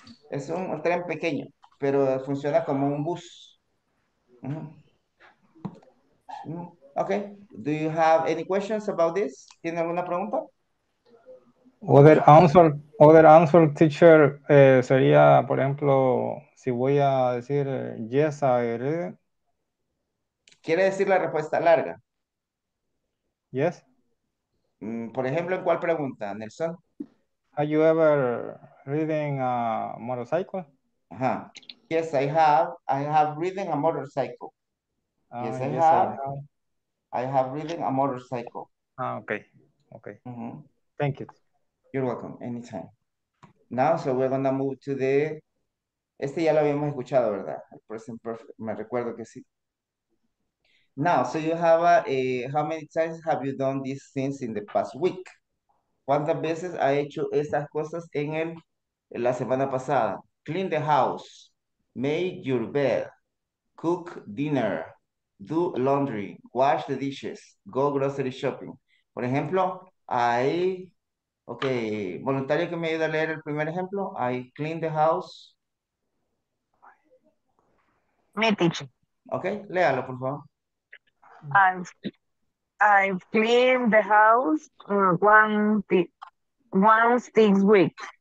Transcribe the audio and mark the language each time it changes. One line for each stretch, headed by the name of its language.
Spanish: Es un tren pequeño, pero funciona como un bus.
English: Okay, do you have any questions about this?
Spanish: ¿Tiene alguna pregunta?
English: Other answer, teacher,
Spanish: sería, por ejemplo, si voy a decir
English: yes, I read.
Spanish: ¿Quiere decir la respuesta larga?
English: Yes.
Spanish: Por ejemplo, ¿en cuál pregunta, Nelson?
English: Have you ever ridden a motorcycle? Yes, I have. I have ridden a motorcycle. Yes, I yes, have. I have ridden a motorcycle. Ah, okay. Okay. Thank you. You're welcome. Anytime. Now, so we're going to move to the...
Spanish: Este ya lo habíamos escuchado, ¿verdad? El present perfect. Me recuerdo que sí.
English: Now, so you have how many times have you done these things in the past week?
Spanish: ¿Cuántas veces ha hecho estas cosas en la semana pasada?
English: Clean the house. Make your bed. Cook dinner. Do laundry, wash the dishes, go grocery shopping.
Spanish: Por ejemplo, voluntario que me ayude a leer el primer ejemplo.
English: I clean the house. Me teacher.
Spanish: Okay, léalo, por favor.
English: I clean the house once this week.